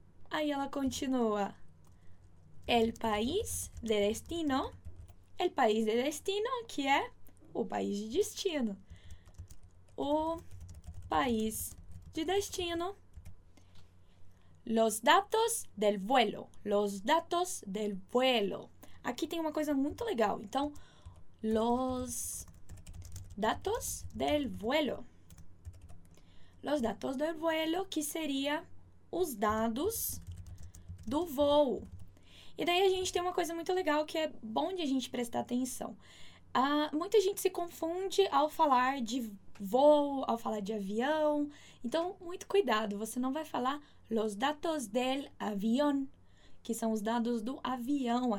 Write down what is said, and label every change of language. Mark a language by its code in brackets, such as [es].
[pt] Aí ela continua, el país de destino, el país de destino, que é o país de destino, o país de destino. [es] Los datos del vuelo. Los datos del vuelo. [pt] Aqui tem uma coisa muito legal. Então, los datos del vuelo. Los datos del vuelo, que seria os dados do voo. E daí a gente tem uma coisa muito legal que é bom de a gente prestar atenção. Muita gente se confunde ao falar de voo, ao falar de avião. Então, muito cuidado, você não vai falar los datos del avión, que são os dados do avião.